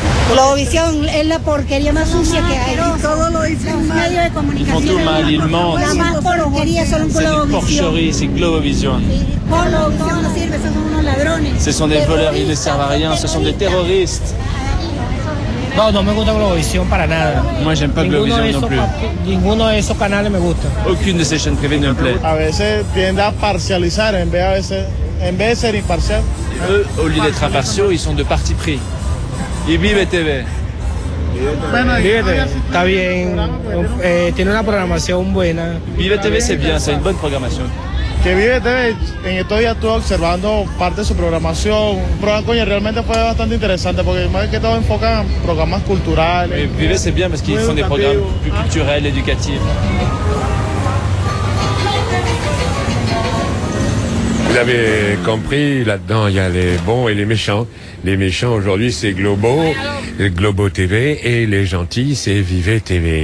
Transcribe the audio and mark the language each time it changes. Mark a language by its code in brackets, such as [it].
[es] Globovisión es la porquería más sucia que hay. Todo lo dicen los medios de comunicación. Mal, la más porquería son Globovisión. Es Globovisión. Globovisión no sirve, son unos ladrones. [fr] Ce sont des voleurs, ils ne servent à rien, ce sont des terroristes. [es] No, no me gusta Globovisión para nada. [fr] Moi, j'aime pas Globovisión non plus. [es] Ninguno de esos canales me gusta. [fr] Aucune de ces chaînes privées ne me plaît. [es] A veces tiende a parcializar en vez de ser imparcial. [fr] Eux, au lieu d'être impartiaux, ils sont de parti pris. [es] Y Vive TV. Vive TV, está bien. Tiene una programación buena. [fr] Vive TV, c'est bien, c'est une bonne programmation. [es] Que Vive TV, en estos días estuve observando parte de su programación. Un programa, coño, realmente fue bastante interesante, porque más que todo enfoca en programas culturales. [fr] Oui, Vive, c'est bien, parce qu'ils font des programmes plus culturels, éducatifs. Vous avez compris, là-dedans, il y a les bons et les méchants. Les méchants, aujourd'hui, c'est Globo, Globo TV, et les gentils, c'est Vive TV.